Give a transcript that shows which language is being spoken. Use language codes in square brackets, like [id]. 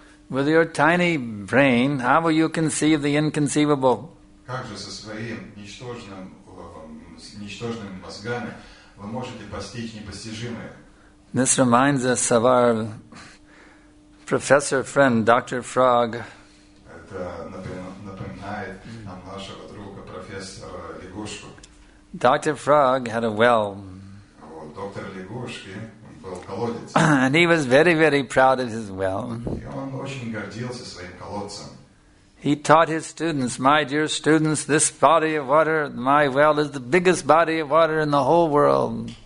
[en] With your tiny brain, how will you conceive the inconceivable? [ru] Как же со своим ничтожным ничтожными мозгами вы можете постичь непостижимое. [en] This reminds us of our professor friend, Dr. Frog. [ru] Это напоминает нам нашего друга, профессора Лягушку. [en] Dr. Frog had a well. [ru] Вот доктор Лягушки, он был колодец. [en] And he was very, very proud of his well. [ru] И он очень гордился своим колодцем. [en] He taught his students, my dear students, this body of water, my well, is the biggest body of water in the whole world.